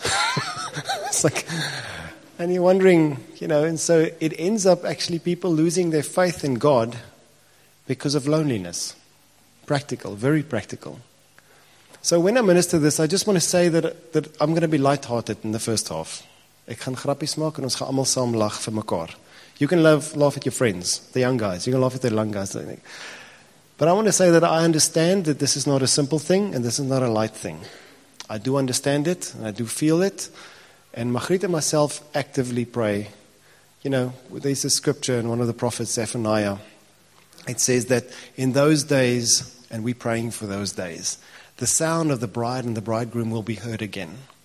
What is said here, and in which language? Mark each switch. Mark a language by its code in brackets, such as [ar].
[en] It's like, and you're wondering, you know, and so it ends up actually people losing their faith in God because of loneliness. Practical, very practical. So when I minister this, I just want to say that I'm going to be lighthearted in the first half. [af] Ek gaan grappies maak en ons gaan almal saam lag vir mekaar. [en] You can laugh at your friends, the young guys. You can laugh at the long guys. But I want to say that I understand that this is not a simple thing and this is not a light thing. I do understand it and I do feel it. And Magriet and myself actively pray. You know, there's a scripture in one of the prophets, Zephaniah. It says that in those days, and we're praying for those days, the sound of the bride and the bridegroom will be heard again.